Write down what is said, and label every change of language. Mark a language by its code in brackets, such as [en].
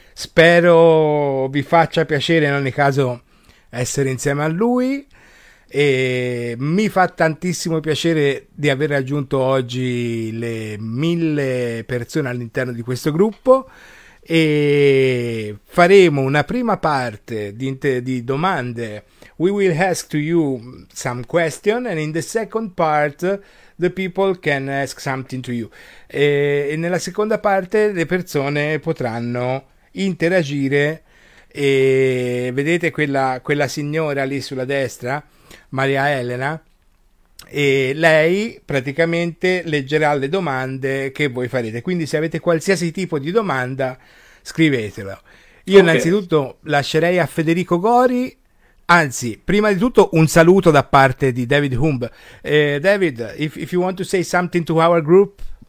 [it] Spero vi faccia piacere in ogni caso essere insieme a lui. E mi fa tantissimo piacere di aver raggiunto oggi le 1.000 persone all'interno di questo gruppo e faremo una prima parte di domande. [en] We will ask to you some question and in the second part the people can ask something to you. [it] E nella seconda parte le persone potranno interagire e vedete quella signora lì sulla destra? Maria Elena, e lei praticamente leggerà le domande che voi farete. Quindi, se avete qualsiasi tipo di domanda, scrivetelo. Io, Ok. innanzitutto, lascerei a Federico Gori. Anzi, prima di tutto, un saluto da parte di David Hume. [en] David, if you want to say something to our group.